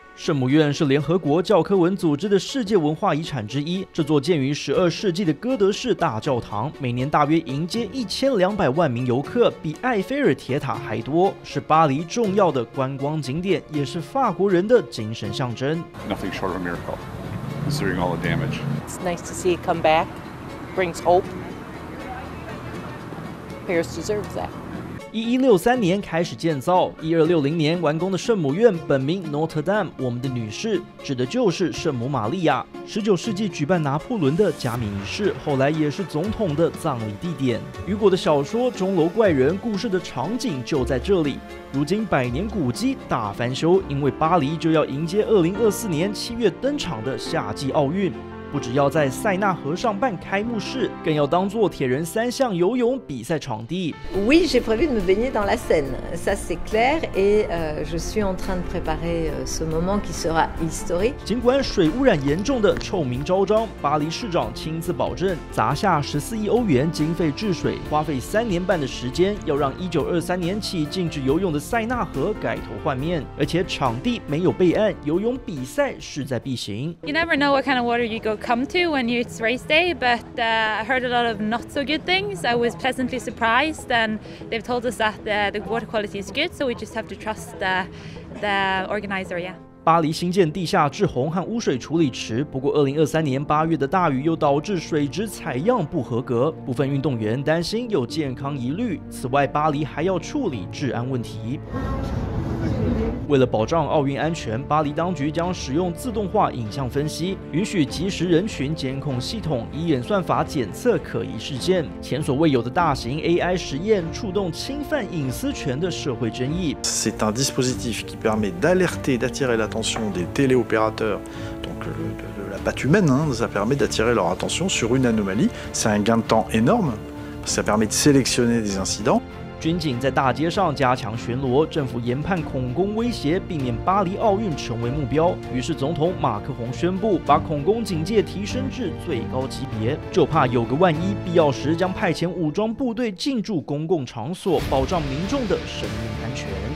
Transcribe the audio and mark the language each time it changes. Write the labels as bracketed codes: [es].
[zh] 圣母院是联合国教科文组织的世界文化遗产之一，这座建于12世纪的哥德式大教堂每年大约迎接1200万名游客，比埃菲尔铁塔还多，是巴黎重要的观光景点，也是法国人的精神象征。 [en] Nothing short of a miracle considering all the damage. It's nice to see it come back. Brings hope. Paris deserves that. [zh] 1163年开始建造，1260年完工的圣母院，本名 Notre Dame， 我们的女士，指的就是圣母玛利亚。 19世纪举办拿破仑的加冕仪式，后来也是总统的葬礼地点。雨果的小说《钟楼怪人》故事的场景就在这里。如今百年古迹大翻修，因为巴黎就要迎接2024年7月登场的夏季奥运，不只要在塞纳河上办开幕式，更要当作铁人三项游泳比赛场地。 [fr] Oui, j'ai prévu de me baigner dans la Seine, ça c'est clair, et je suis en train de préparer ce moment qui sera historique. [zh] 尽管水污染严重的臭名昭彰，巴黎市长亲自保证，砸下14亿欧元经费治水，花费3年半的时间，要让1923年起禁止游泳的塞纳河改头换面，而且场地没有备案，游泳比赛势在必行。 [en] You never know what kind of water you go. Come to when it's race day, but I heard a lot of not so good things. I was pleasantly surprised, and they've told us that the water quality is good, so we just have to trust the organizer. Yeah. [zh] 巴黎新建地下治洪和污水处理池，不过2023年8月的大雨又导致水质采样不合格，部分运动员担心有健康疑虑。此外，巴黎还要处理治安问题。为了保障奥运安全，巴黎当局将使用自动化影像分析，允许即时人群监控系统以演算法检测可疑事件，前所未有的大型 AI 实验触动侵犯隐私权的社会争议。 [fr] C'est un dispositif qui permet d'alerter, d'attirer l'attention des téléopérateurs, donc de la patte humaine, hein, ça permet d'attirer leur attention sur une anomalie. C'est un gain de temps énorme, ça permet de sélectionner des incidents. [zh] 军警在大街上加强巡逻，政府研判恐攻威胁，避免巴黎奥运成为目标。于是总统马克宏宣布把恐攻警戒提升至最高级别，就怕有个万一，必要时将派遣武装部队进驻公共场所，保障民众的生命安全。